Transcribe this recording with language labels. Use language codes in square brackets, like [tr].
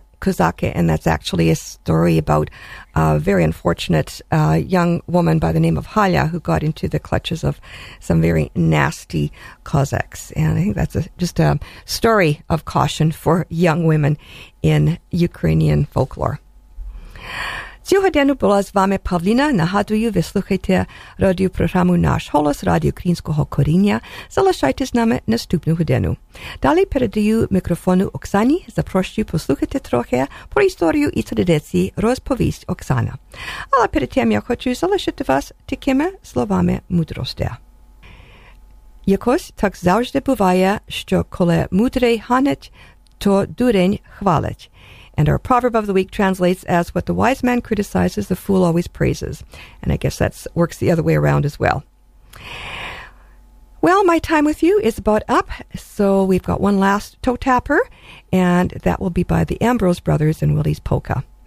[en] Kozake, and that's actually a story about a very unfortunate young woman by the name of Halya who got into the clutches of some very nasty Cossacks. And I think that's just a story of caution for young women in Ukrainian folklore. [uk] Цього дня була з вами Павлина. Нагадую, ви слухаєте радіопрограму «Наш голос» Радіо Українського коріння. Залишайтесь з нами наступну годину. Далі передаю мікрофону Оксані. Запрошую послухати трохи про історію і традиції «Розповість Оксана». Але перед тим я хочу залишити вас такими словами мудрості. Якось так завжди буває, що коли мудрий ганить, то дурень хвалить. [en] And our proverb of the week translates as, what the wise man criticizes, the fool always praises. And I guess that works the other way around as well. Well, my time with you is about up, so we've got one last toe-tapper, and that will be by the Ambrose Brothers and Willie's Polka.